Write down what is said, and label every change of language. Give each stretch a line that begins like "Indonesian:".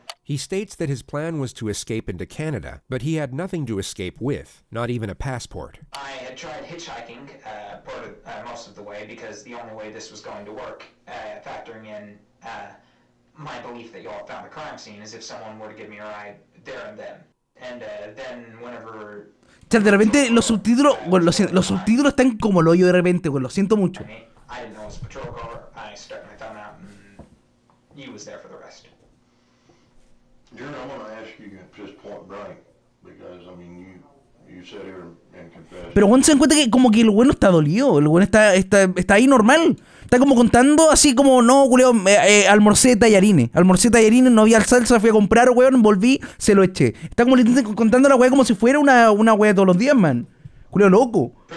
English: He states that his plan was to escape into Canada, but he had nothing to escape with, not even a passport. I had tried hitchhiking most of the way because the only way this was going to work, factoring in my belief that y'all found a crime scene, is if someone were to give me a ride there and then. And then whenever...
Spanish: Chal, de repente los subtítulos, bueno, los subtítulos están como el hoyo de repente, bueno, lo siento mucho.
English: I didn't know it was a patrol car. I stuck my thumb out and he was there for the rest. Jerry, I want to ask you just point blank, because, I mean, you sat here and confessed.
Spanish: Pero Juan se encuentra que como que el bueno está dolido, el bueno está ahí normal. Está como contando así como, no, culiao, almorcé tallarines, no había salsa, fui a comprar, weón, volví, se lo eché. Está como contando a la weá como si fuera una weá de todos los días, man. Culiao, loco.